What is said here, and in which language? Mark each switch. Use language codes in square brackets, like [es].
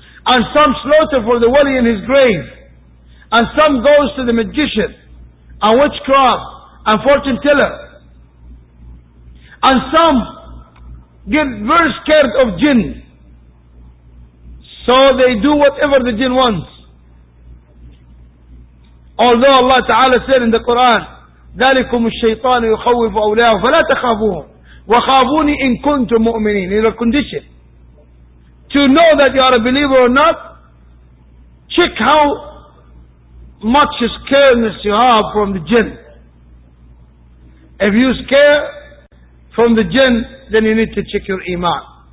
[en] And some slaughter for the wali in his grave, and some goes to the magician and witchcraft and fortune teller, and some get very scared of jinn, so they do whatever the jinn wants. [ar] Although Allah Ta'ala said in the Quran, ذَلِكُمُ الشَّيْطَانُ يُخَوِّفُ أَوْلِيَاهُ فَلَا تَخَافُوهُمْ وَخَافُونِ إِن كُنْتُمْ مُؤْمِنِينَ. [en] In a condition. To know that you are a believer or not, check how much scaredness you have from the jinn. If you scare from the jinn, then you need to check your iman.